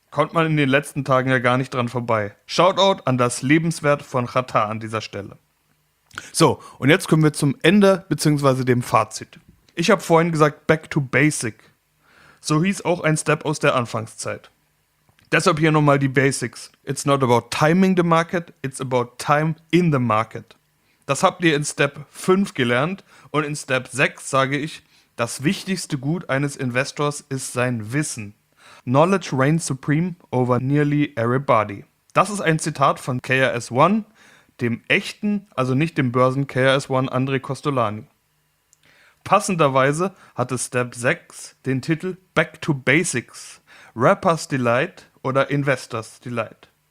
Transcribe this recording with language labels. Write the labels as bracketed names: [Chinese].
[German] Kommt man in den letzten Tagen ja gar nicht dran vorbei. Shoutout an das Lebenswerk von Qatar an dieser Stelle. So, und jetzt kommen wir zum Ende bzw. dem Fazit. Ich habe vorhin gesagt Back to Basic. So hieß auch ein Step aus der Anfangszeit. Deshalb hier nochmal die Basics. [English] It's not about timing the market, it's about time in the market. [German] Das habt ihr in Step 5 gelernt und in Step 6 sage ich, das wichtigste Gut eines Investors ist sein Wissen. [English] Knowledge reigns supreme over nearly everybody. [German] Das ist ein Zitat von KRS-One, dem echten, also nicht dem Börsen-KRS-One André Costolani. Passenderweise hatte Step 6 den Titel Back to Basics, Rapper's Delight oder Investor's Delight.